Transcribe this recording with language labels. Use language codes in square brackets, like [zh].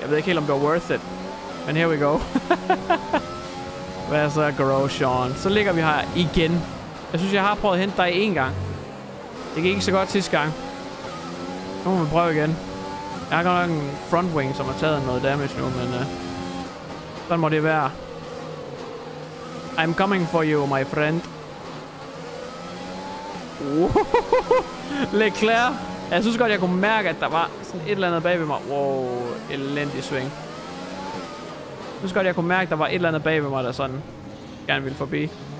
[da] Jeg ved ikke helt, om det var [en] worth it. [da] Men [en] here we go. [da] Hvad så, Grosjean? Så ligger vi her igen. Jeg synes, jeg har prøvet at hente dig en gang. Det gik ikke så godt sidste gang. Nu må vi prøve igen. Jeg har godt nok en front wing, som har taget noget damage nu, men sådan må det være. [en] I'm coming for you, my friend. [da] Leclerc. Jeg synes godt, jeg kunne mærke, at der var sådan et eller andet bag ved mig. Wow, elendig swing. Jeg synes godt, jeg kunne mærke, at der var et eller andet bag ved mig, der sådan gerne ville forbi.